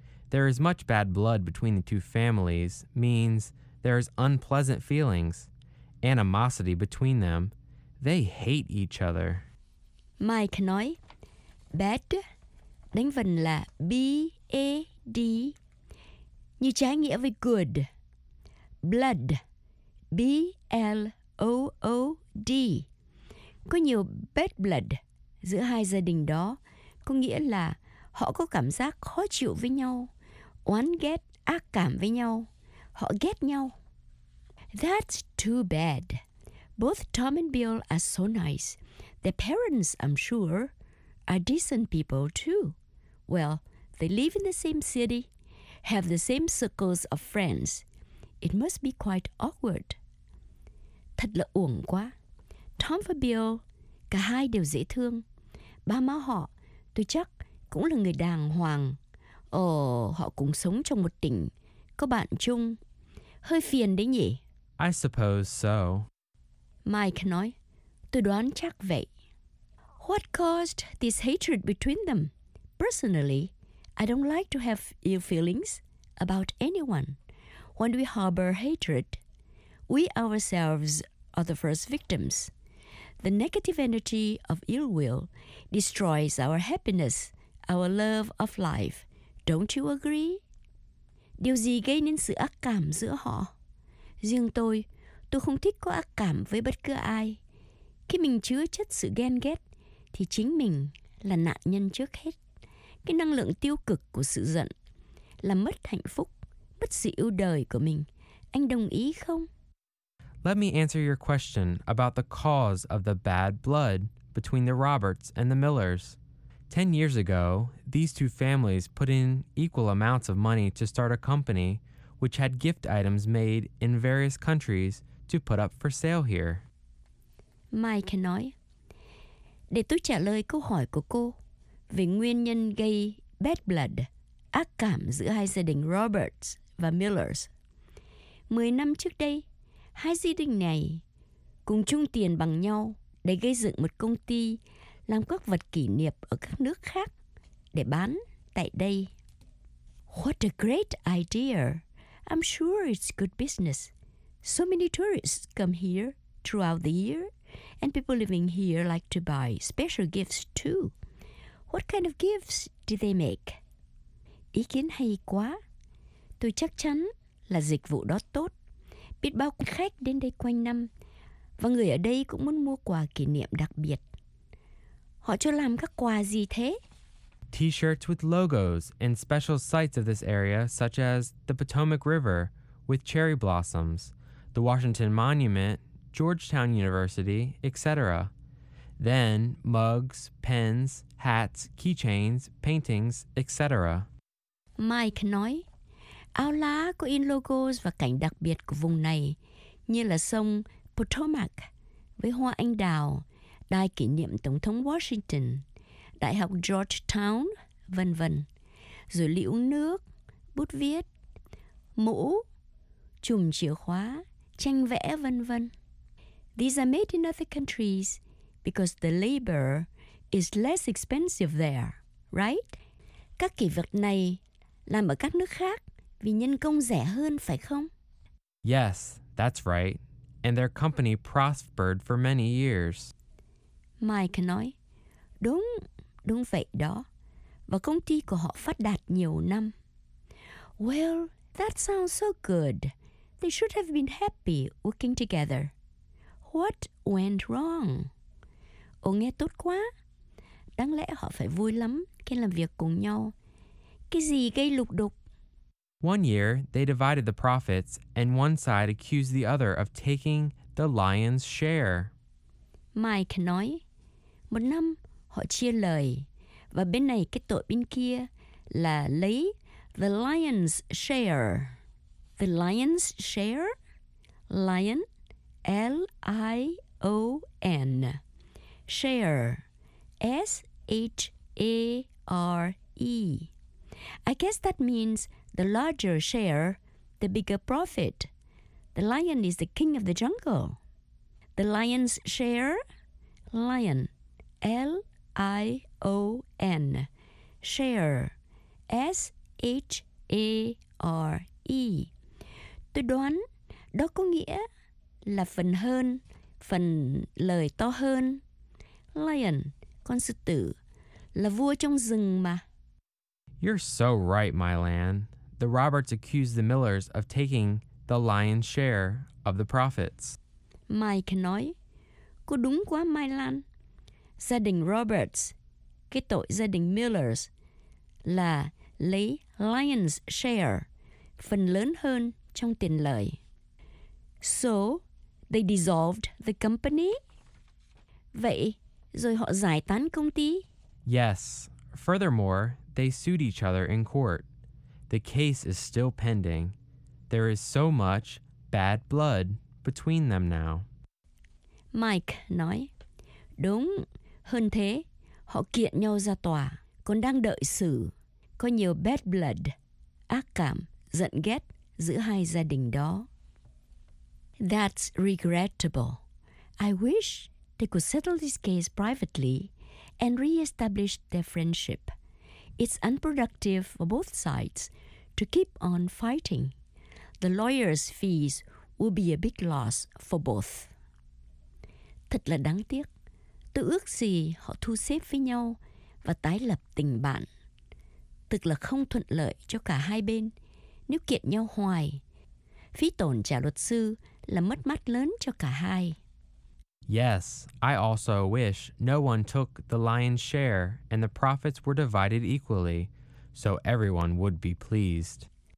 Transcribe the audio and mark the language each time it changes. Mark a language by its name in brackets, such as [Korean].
[English] There is much bad blood between the two families means there is unpleasant feelings, animosity between them. They hate each other. [Vietnamese] Mike nói, bad, đánh vần là B-A-D, như trái nghĩa với good. Blood, B-L-O-O-D. Có nhiều bad blood giữa hai gia đình đó, có nghĩa là họ có cảm giác khó chịu với nhau, oán ghét, ác cảm với nhau. Họ ghét nhau. [English] That's too bad. Both Tom and Bill are so nice. Their parents, I'm sure, are decent people too. Well, they live in the same city, have the same circles of friends. It must be quite awkward. [Vietnamese] Thật là uổng quá. Tom và Bill, cả hai đều dễ thương. Ba má họ, tôi chắc, cũng là người đàng hoàng. Ồ, họ cũng sống trong một tỉnh, có bạn chung. Hơi phiền đấy nhỉ? [English] I suppose so. [Vietnamese] Mike nói, tôi đoán chắc vậy. [English] What caused this hatred between them? Personally, I don't like to have ill feelings about anyone. When we harbor hatred, we ourselves are the first victims. The negative energy of ill will destroys our happiness, our love of life. Don't you agree? [Vietnamese] Điều gì gây nên sự ác cảm giữa họ? Riêng tôi không thích có ác cảm với bất cứ ai. Khi mình chứa chất sự ghen ghét, thì chính mình là nạn nhân trước hết. Cái năng lượng tiêu cực của sự giận là mất hạnh phúc, mất sự yêu đời của mình. Anh đồng ý không? [English] Let me answer your question about the cause of the bad blood between the Roberts and the Millers. 10 years ago, these two families put in equal amounts of money to start a company which had gift items made in various countries to put up for sale here. [Vietnamese] Mike nói, để tôi trả lời câu hỏi của cô về nguyên nhân gây bad blood, ác cảm giữa hai gia đình Roberts và Millers. 10 năm trước đây, hai gia đình này cùng chung tiền bằng nhau để gây dựng một công ty làm các vật kỷ niệm ở các nước khác để bán tại đây. [English] What a great idea. I'm sure it's good business. So many tourists come here throughout the year, and people living here like to buy special gifts too. What kind of gifts do they make? [Vietnamese] Ý kiến hay quá. Tôi chắc chắn là dịch vụ đó tốt. Biết bao khách đến đây quanh năm, và người ở đây cũng muốn mua quà kỷ niệm đặc biệt. Họ cho làm các quà gì thế? [English] T-shirts with logos and special sites of this area, such as the Potomac River with cherry blossoms, the Washington Monument, Georgetown University, etc. Then mugs, pens, hats, keychains, paintings, etc. [Vietnamese] Mike nói, áo lá có in logos và cảnh đặc biệt của vùng này, như là sông Potomac với hoa anh đào, đài kỷ niệm Tổng thống Washington, Đại học Georgetown, v.v. Rồi lũ nước, bút viết, mũ, chùm chìa khóa, tranh vẽ, vân vân. [English] These are made in other countries because the labor is less expensive there, right? [Vietnamese] Các kỷ vật này làm ở các nước khác vì nhân công rẻ hơn, phải không? [English] Yes, that's right. And their company prospered for many years. [Vietnamese] Mike nói, đúng, đúng vậy đó. Và công ty của họ phát đạt nhiều năm. [English] Well, that sounds so good. They should have been happy working together. What went wrong? [Vietnamese] Ồ, nghe tốt quá. Đáng lẽ họ phải vui lắm khi làm việc cùng nhau. Cái gì gây lục đục? [English] One year, they divided the profits, and one side accused the other of taking the lion's share. [Vietnamese] Mike nói, một năm họ chia lời, và bên này cái tội bên kia là lấy the lion's share. [English] The lion's share? Lion, L-I-O-N. Share, S-H-A-R-E. I guess that means the larger share, the bigger profit. The lion is the king of the jungle. The lion's share? Lion, L-I-O-N. Share, S-H-A-R-E. [Vietnamese] Tôi đoán đó có nghĩa là phần hơn, phần lời to hơn. Lion, con sư tử, là vua trong rừng mà. [English] You're so right, Mylan. The Roberts accused the Millers of taking the lion's share of the profits. [Vietnamese] Mike nói, cô đúng quá, Mylan. Gia đình Roberts, cái tội gia đình Millers, là lấy lion's share, phần lớn hơn trong tiền lời. [English] So, they dissolved the company? [Vietnamese] Vậy, rồi họ giải tán công ty? [English] Yes. Furthermore, they sued each other in court. The case is still pending. There is so much bad blood between them now. [Vietnamese] Mike nói, đúng, hơn thế, họ kiện nhau ra tòa, còn đang đợi xử. Có nhiều bad blood, ác cảm, giận ghét giữa hai gia đình đó. [English] That's regrettable. I wish they could settle this case privately and re-establish their friendship. It's unproductive for both sides to keep on fighting. The lawyer's fees will be a big loss for both. [Vietnamese] Thật là đáng tiếc. Tôi ước gì họ thu xếp với nhau và tái lập tình bạn. Thực là không thuận lợi cho cả hai bên nếu kiện nhau hoài. Phí tổn trả luật sư là mất mát lớn cho cả hai. [English] Yes, I also wish no one took the lion's share and the profits were divided equally, so everyone would be pleased.